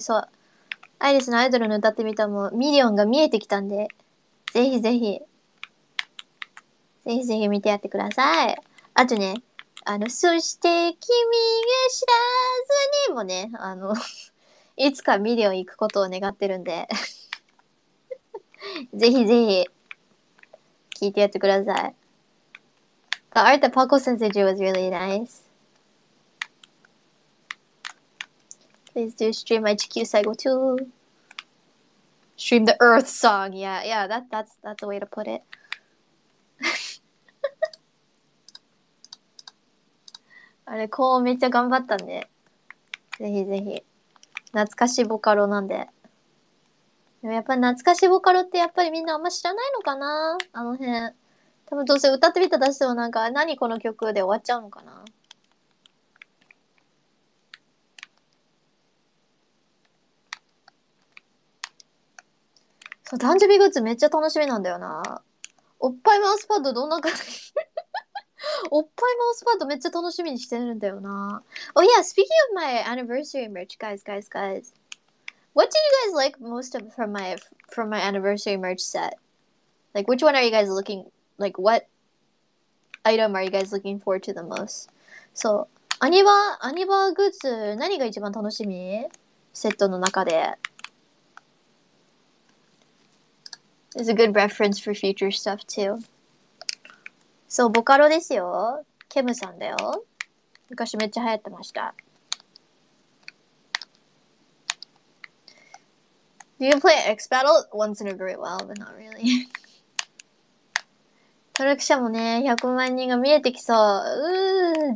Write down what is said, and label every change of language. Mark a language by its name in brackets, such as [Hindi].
[Japanese] So, アイリスのアイドルの歌ってみたもミリオンが見えてきたんで、ぜひぜひ、ぜひぜひ見てやってください。あとね。そして、君が知らずにもね、いつかミリオン行くことを願ってるんで。ぜひぜひ、聞いてやってください。 [English] The art that Paco sensei was really nice. Please do stream my 地球最後 too. Stream the earth song. Yeah, yeah, that's the way to put it. [Japanese] あれ、こうめっちゃ頑張ったんで。ぜひぜひ。懐かしいボカロなんで。でもやっぱ懐かしいボカロってやっぱりみんなあんま知らないのかな？あの辺。多分どうせ歌ってみたら出してもなんか、何この曲で終わっちゃうのかな？そう、誕生日グッズめっちゃ楽しみなんだよな。おっぱいマウスパッドどんな感じ？おっぱいマウスパッドめっちゃ楽しみにしてるんだよな。 [English] Oh yeah, speaking of my anniversary merch, guys. What did you guys like most of from my anniversary merch set? Like, which one are you guys looking, like, what item are you guys looking forward to the most? [Japanese] So, アニバグッズ何が一番楽しみ？セットの中で。 [English] It's a good reference for future stuff too. [Japanese] そう、ボカロですよ。ケムさんだよ。昔めっちゃ流行ってました。 [English] Do you play X Battle once in a great while, but not really? [Japanese] トラクシャもね、100万人が見えてきそう。